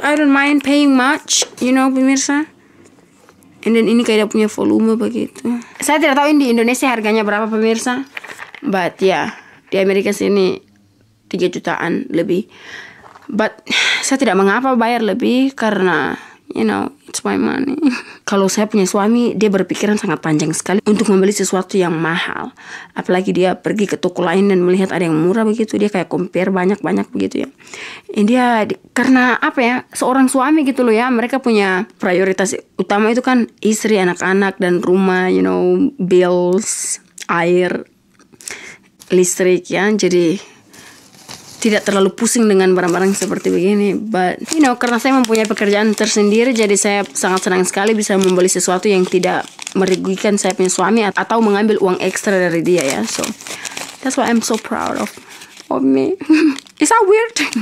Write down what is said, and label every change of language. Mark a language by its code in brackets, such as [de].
[en] I don't mind paying much, you know, pemirsa. [id] And then ini kayak punya volume begitu. Saya tidak tahu ini di Indonesia harganya berapa pemirsa. But ya, yeah, di Amerika sini 3 jutaan lebih. But saya tidak mengapa bayar lebih karena, [en] you know, it's my money. [id] Kalau saya punya suami, dia berpikiran sangat panjang sekali untuk membeli sesuatu yang mahal. Apalagi dia pergi ke toko lain dan melihat ada yang murah begitu. Dia kayak compare banyak-banyak begitu ya. And dia, karena apa ya, seorang suami gitu loh ya. Mereka punya prioritas utama itu kan istri, anak-anak, dan rumah, you know, bills, air, listrik ya. Jadi tidak terlalu pusing dengan barang-barang seperti begini. But, you know, karena saya mempunyai pekerjaan tersendiri, jadi saya sangat senang sekali bisa membeli sesuatu yang tidak merugikan saya punya suami atau mengambil uang ekstra dari dia, ya. [en] So, that's why I'm so proud of me. Is that weird?